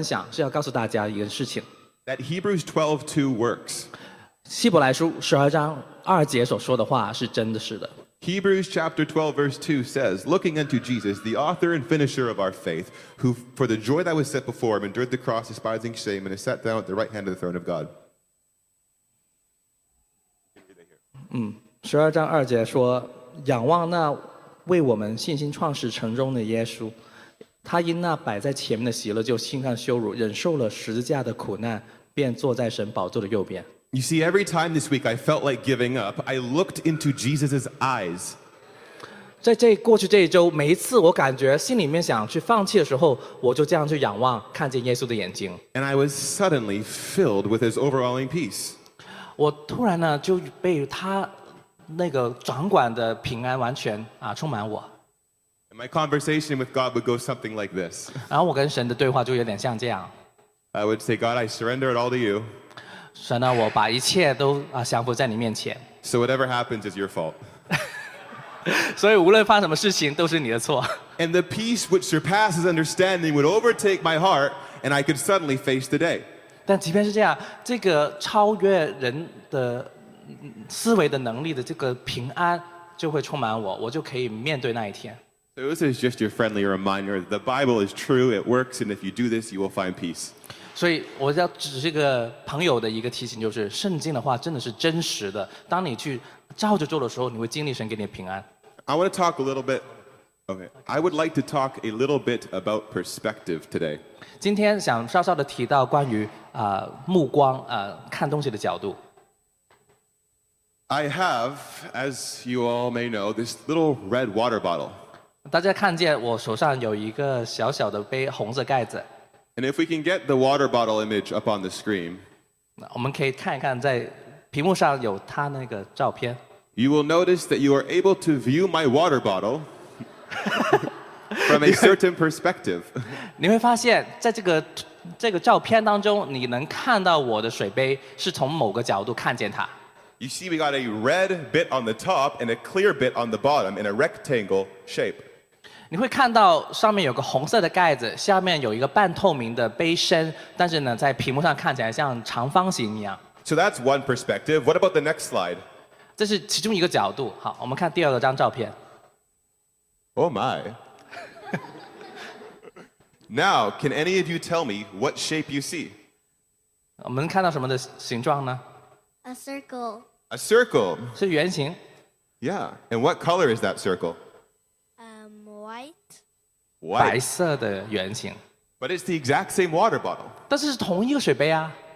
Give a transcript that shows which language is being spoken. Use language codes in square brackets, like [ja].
[zh] 我唯一一个原因，为什么要这样分享，是要告诉大家一个事情。 [en] That Hebrews 12:2 works. [zh] 希伯来书12章2节所说的话是真的是的。 [en] Hebrews chapter 12, verse 2 says, Looking unto Jesus, the author and finisher of our faith, who for the joy that was set before him endured the cross, despising shame, and is sat down at the right hand of the throne of God. [zh] 12章2节说，仰望那为我们信心创始成终的耶稣，他因那摆在前面的喜乐就轻看羞辱，忍受了十字架的苦难，便坐在神宝座的右边。 [en] You see, every time this week I felt like giving up, I looked into Jesus' eyes. [zh] 在这过去这一周，每一次我感觉心里面想去放弃的时候，我就这样去仰望，看见耶稣的眼睛。 [en] And I was suddenly filled with His overwhelming peace. [zh] 我突然呢就被他那个掌管的平安完全啊充满我。 [en] And my conversation with God would go something like this. [zh] 然后我跟神的对话就有点像这样。 [en] I would say, God, I surrender it all to you. [zh] 神呢，我把一切都啊降服在你面前。 [en] So whatever happens is your fault. [zh] 所以无论发什么事情都是你的错。 [en] And the peace which surpasses understanding would overtake my heart, and I could suddenly face the day. [zh] 但即便是这样，这个超越人的思维的能力的这个平安就会充满我，我就可以面对那一天。 [en] So this is just your friendly reminder. The Bible is true. It works, and if you do this, you will find peace. [zh] 所以我要只是一个朋友的一个提醒，就是圣经的话真的是真实的。当你去照着做的时候，你会经历神给你的平安。 [en] I want to talk a little bit. Okay. I would like to talk a little bit about perspective today. [zh] 今天想稍稍的提到关于目光看东西的角度。 [en] I have, as you all may know, this little red water bottle. [zh] 大家看见我手上有一个小小的杯，红色盖子。 [en] And if we can get the water bottle image up on the screen, [zh] 我们可以看一看在屏幕上有他那个照片。 [en] You will notice that you are able to view my water bottle from a certain perspective. [zh] 你会发现在这个照片当中，你能看到我的水杯是从某个角度看见它。 [en] You see, we got a red bit on the top and a clear bit on the bottom in a rectangle shape. [zh] 你会看到上面有个红色的盖子，下面有一个半透明的杯身，但是呢，在屏幕上看起来像长方形一样。 [en] So that's one perspective. What about the next slide? [zh] 这是其中一个角度。好，我们看第二张照片。 [en] Oh my. Now, can any of you tell me what shape you see? [zh] 我们看到什么的形状呢？ [en] A circle. A circle. [zh] 是圆形。 [en] Yeah. And what color is that circle? White. White. [zh] 白色的圆形。 [en] But it's the exact same water bottle. [zh] 但是是同一个水杯啊。